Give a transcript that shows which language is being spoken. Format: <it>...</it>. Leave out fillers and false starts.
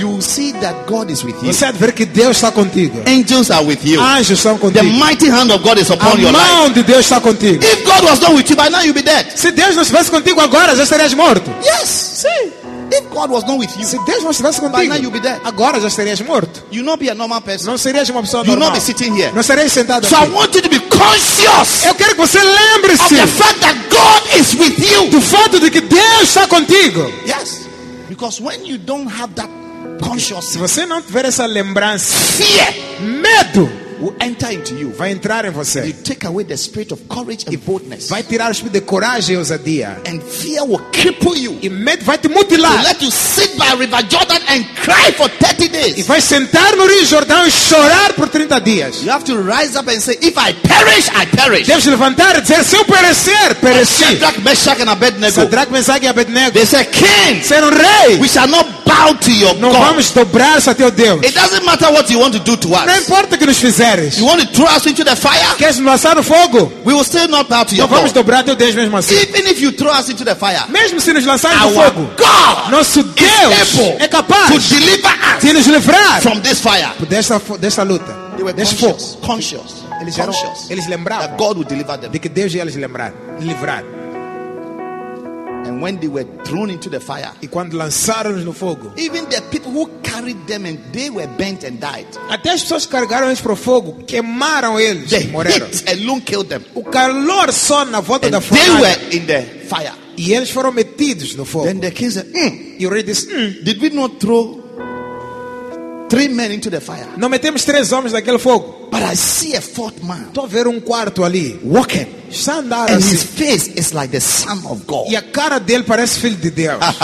<en>You will see that God is with you.</en> <pt>Você vai ver que Deus está contigo.</pt> <en>Angels are with you.</en> <pt>Anjos estão contigo.</pt> <en>The mighty hand of God is upon your life.</en> <pt>A mão de Deus está contigo.</pt> <en>If God was not with you, by now you'd be dead.</en> <pt>Se Deus não estivesse contigo agora, já estarias morto.</pt> <en>Yes.</en> <pt>Sim.</pt> <en>If God was not with you,</en> <pt>se Deus não estivesse contigo,</pt> <en>by now you'd be dead.</en> <pt>Agora já estarias morto.</pt> <en>You'd not be a normal person.</en> <pt>Não serias uma pessoa</pt> <en>normal. You'd not be sitting here.</en> <pt>Não estarias sentado aqui.</pt> <en>So I want you to be conscious.</en> <pt>Eu quero que você lembre-se.</pt> <en>Of the fact that God is with you.</en> <pt>Do fato de que Deus está contigo.</pt> <en>Yes. Because when you don't have that consciousness,</en> <pt>se você não tiver essa lembrança,</pt> <en>fear,</en> <pt>medo,</pt> <en>will enter into you.</en> <pt>Vai entrar em você.</pt> <en>You take away the spirit of courage and boldness.</en> <pt>Vai tirar o espírito de coragem e ousadia.</pt> <en>And fear will cripple you.</en> <pt>E medo vai te mutilar.</pt> <en>Will let you sit by River Jordan and cry for 30 days.</en> <pt>E vai sentar no Rio Jordão e chorar por 30 dias.</pt> <en>You have to rise up and say, if I perish, I perish.</en> <pt>Deve se levantar e dizer, se eu perecer, pereci.</pt> <en>Shadrach, Meshach and Abednego. They say, King,</en> <pt>serão rei.</pt> <en>We shall not bow to your</en> <pt>não</pt> <en>God.</en> <pt>Não vamos dobrar-se a teu Deus.</pt> <en>It doesn't matter what you want to do to us.</en> <pt>Não importa o que nos fizeres.</pt> <en>You want to throw us into the fire?</en> <pt>Queres nos lançar no fogo?</pt> <en>We will still not bow to your God.</en> <pt>Não vamos dobrar a teu Deus mesmo assim.</pt> <en>Even if you throw us into the fire,</en> <pt>mesmo se nos lançar no fogo,</pt> <en>God,</en> <pt>nosso Deus, é capaz</pt> <en>to deliver us</en> <pt>de nos livrar</pt> <en>from this fire.</en> <pt>Desta luta.</pt> <en>They were conscious.</en> <pt>Eles eram</pt> <en>conscious.</en> <pt>Eles lembravam</pt> <en>that God would deliver them.</en> <pt>De que Deus ia lhes lembrar, livrar.</pt> <en>And when they were thrown into the fire,</en> <pt>e quando lançaram-nos no fogo,</pt> <en>even the people who carried them and they were bent and died.</en> <pt>Até as pessoas que carregaram-nos para o fogo queimaram eles, morreram.</pt> <en>The heat alone killed them.</en> <pt>O calor só na volta</pt> <en>and</en> <pt>da fornalha.</pt> <en>They were in the fire.</en> <pt>E eles foram metidos no fogo.</pt> <en>Then the king said, "You read this? Did we not throw three men into the fire?"</en> <pt>Não metemos três homens naquele fogo.</pt> <en>But I see a fourth man.</en> <pt>Estou a ver quarto ali.</pt> <en>Walking. Standing. And</en> <pt>assim.</pt> <en>His face is like the Son of God.</en> <pt>E a cara dele parece filho de Deus.</pt>